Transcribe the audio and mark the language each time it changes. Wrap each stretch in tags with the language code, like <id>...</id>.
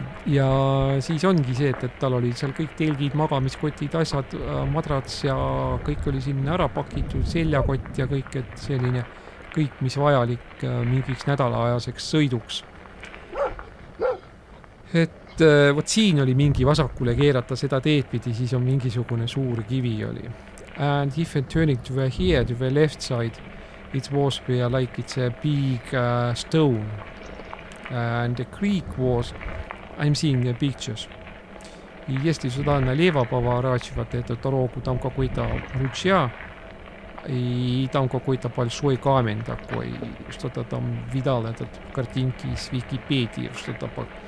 <et>Ja siis ongi see, et tal oli seal kõik telgid, magamiskotid, asjad, madrats ja kõik oli sinna ära pakitud, seljakott ja kõik, et selline kõik, mis vajalik mingiks nädalaajaseks sõiduks. Et võt siin oli mingi vasakule keerata seda teed pidi, siis on mingisugune suur kivi oli.</et> <en>And if it turning to the here, to the left side, it was like it's a big stone and the creek was... I'm seeing the pictures.</en> <ru>И если сюда налево поворачивать, это дорогу, там какой-то ручья, и там какой-то большой камень такой, что-то там видал этот картинки из Википедии, что-то по...</ru>